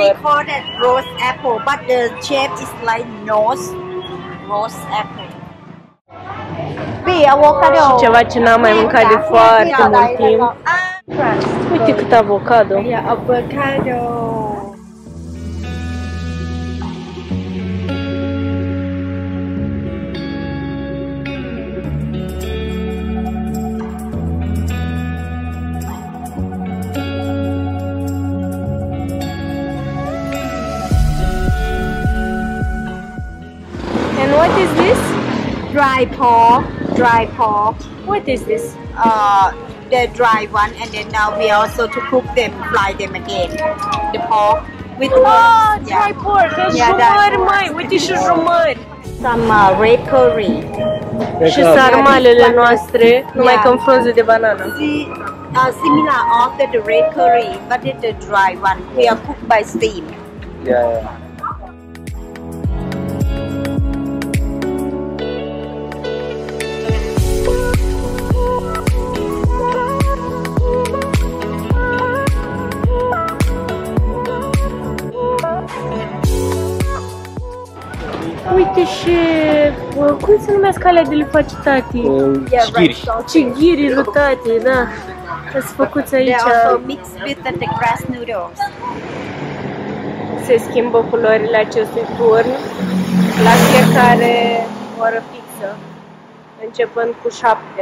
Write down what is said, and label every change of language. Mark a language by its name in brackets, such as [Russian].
[English] We call that rose apple, but the shape is like nose. Rose apple. [Romanian] Și ceva ce n-am mai mâncat de foarte mult timp. Uite cât avocado. Avocado. [English] And what is this? Dry paw. Dry pork. What is this? The dry one, and then now we also to cook them, fry them again. The pork with herbs. Yeah. Dry pork. [Romanian] Jumări mai. Uite și jumări. [English] Some red curry. [Romanian] Și sarmalele noastre, numai că în frunze de banană. [English] See, similar of the red curry, but it's the dry one. We are cooked by steam. Yeah. [Romanian] Uite și cum se numesc alea de le face tati? Cighiri. Cighiri lui tati, da. Sunt făcuți aici. [English] They also mix with the grass noodles. [Romanian] Se schimbă culorile acestui turn la fiecare oră fixă, începând cu 7.